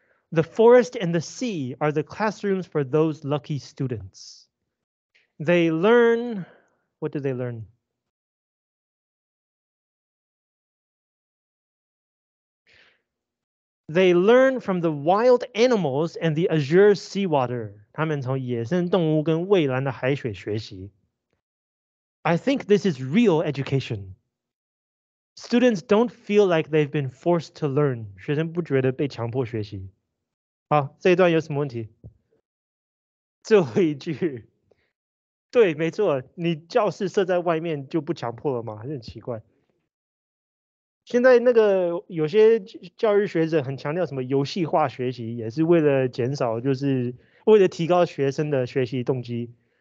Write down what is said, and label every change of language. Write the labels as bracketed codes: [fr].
[en] The forest and the sea are the classrooms for those lucky students. They learn, what do they learn? They learn from the wild animals and the azure seawater. [zh] 他们从野生动物跟蔚蓝的海水学习。 [en] I think this is real education. Students don't feel like they've been forced to learn. [zh] 学生不觉得被强迫学习。好，这一段有什么问题？最后一句，对，没错，你教室设在外面就不强迫了吗？还是很奇怪。现在那个有些教育学者很强调什么游戏化学习，也是为了减少，就是为了提高学生的学习动机。